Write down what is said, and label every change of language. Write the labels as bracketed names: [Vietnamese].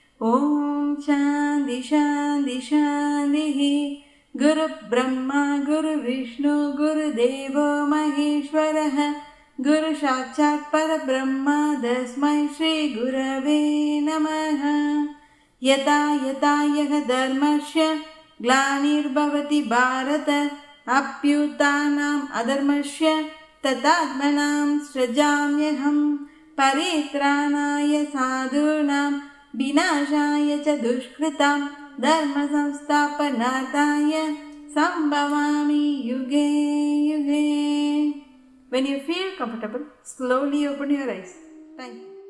[Sanskrit] ஓம் சாந்தி சாந்தி சாந்திஹி. குரு பிரம்மா குரு விஷ்ணு குரு தேவோ மகேஸ்வரஹ குரு சாட்சாத் பரபிரம்மா தஸ்மை ஸ்ரீ குரவே நமஹ. यदा यदा यः धर्मस्य ग्लानिर्भवति भारत अप्युतानाम् अधर्मस्य तदात्मनां सृजाम्यहं परित्राणाय साधूनां विनाशाय च दुष्कृतां धर्मसंस्थापनाय संभवामि युगे युगे. [English] When you feel comfortable, slowly open your eyes. Thank you.